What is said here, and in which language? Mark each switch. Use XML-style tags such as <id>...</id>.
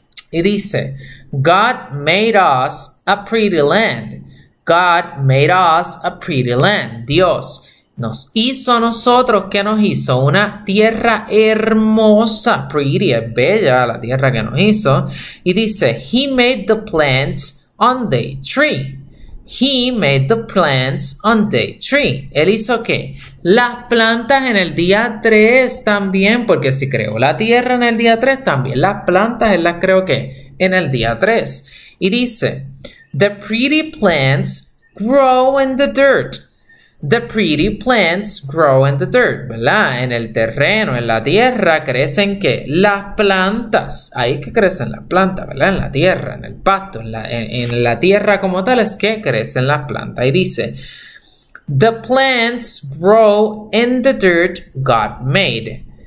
<es>Y dice,</es> <en>God made us a pretty land. God made us a pretty land.</en> <es>Dios nos hizo a nosotros, ¿qué nos hizo? Una tierra hermosa. Pretty, es bella la tierra que nos hizo. Y dice,</es> <en>He made the plants on day three. He made the plants on day 3.</en> <es>¿Él hizo qué? Las plantas en el día 3 también, porque si creó la tierra en el día 3, también las plantas él las creó ¿qué? En el día 3. Y dice,</es> <en>The pretty plants grow in the dirt. The pretty plants grow in the dirt,</en> <es>¿verdad? En el terreno, en la tierra, crecen ¿qué? Las plantas. Ahí es que crecen las plantas, ¿verdad? En la tierra, en el pasto, en la tierra como tal es que crecen las plantas. Ahí dice,</es> <en>The plants grow in the dirt God made.</en>